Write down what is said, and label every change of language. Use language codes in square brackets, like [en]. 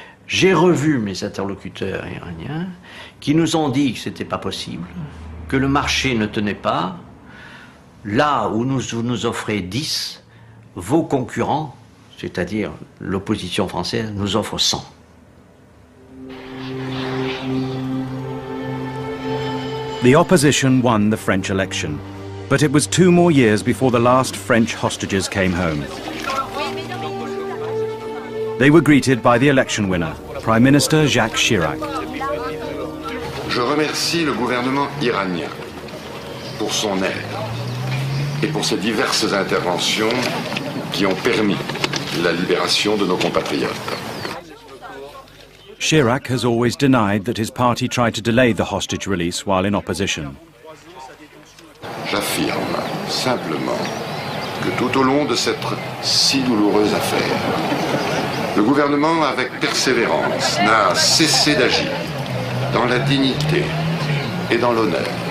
[fr] J'ai revu mes interlocuteurs iraniens qui nous ont dit que c'était pas possible, que le marché ne tenait pas. Là où nous offrez 10, vos concurrents, c'est-à-dire l'opposition française, nous offre 100. [en] The opposition won the French election, but it was 2 more years before the last French hostages came home. They were greeted by the election winner, Prime Minister Jacques Chirac. [fr] Je remercie le gouvernement iranien pour son aide et pour ces diverses interventions qui ont permis la libération de nos compatriotes. [en] Chirac has always denied that his party tried to delay the hostage release while in opposition. [fr] J'affirme simplement que tout au long de cette si douloureuse affaire, le gouvernement, avec persévérance, n'a cessé d'agir dans la dignité et dans l'honneur.